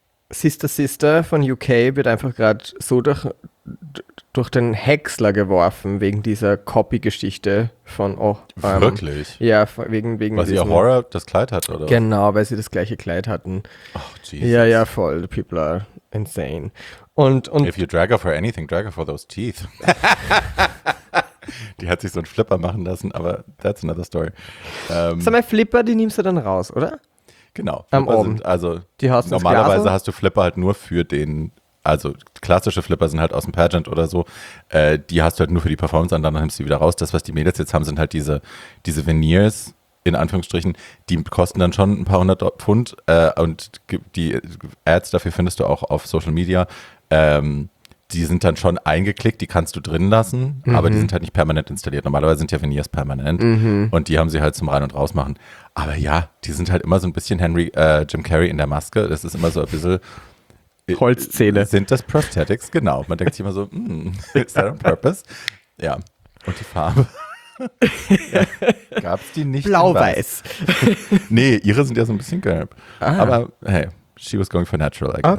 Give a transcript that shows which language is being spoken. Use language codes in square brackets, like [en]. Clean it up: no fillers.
[de] Sister Sister von UK wird einfach gerade so durch den Häcksler geworfen wegen dieser Copy-Geschichte von wirklich? Ja, wegen weil sie ja Horror das Kleid hatte, oder? Genau, weil sie das gleiche Kleid hatten. [en] Oh, Jesus. [de] Ja, ja, voll. [en] People are insane. [de] Und [en] if you drag her for anything, drag her for those teeth. [de] Die hat sich so einen Flipper machen lassen, aber [en] that's another story. [de] Sag mal, Flipper, die nimmst du dann raus, oder? Genau. Am oben. Also, die hast du normalerweise hast du Flipper halt nur für den. Also klassische Flipper sind halt aus dem Pageant oder so, die hast du halt nur für die Performance an, dann nimmst du die wieder raus. Das, was die Mädels jetzt haben, sind halt diese Veneers, in Anführungsstrichen, die kosten dann schon ein paar hundert Pfund und die Ads dafür findest du auch auf Social Media, die sind dann schon eingeklickt, die kannst du drin lassen, mhm. aber die sind halt nicht permanent installiert. Normalerweise sind ja Veneers permanent und die haben sie halt zum Rein- und Rausmachen. Aber ja, die sind halt immer so ein bisschen Jim Carrey in der Maske, das ist immer so ein bisschen... Holzzähne. Sind das Prosthetics? Genau. Man denkt sich immer so, [en] is that on purpose? [de] Ja. Und die Farbe? Ja. Gab es die nicht? Blau-weiß. Nee, ihre sind ja so ein bisschen gelb. Ah. [en] Aber hey, she was going for natural, I guess.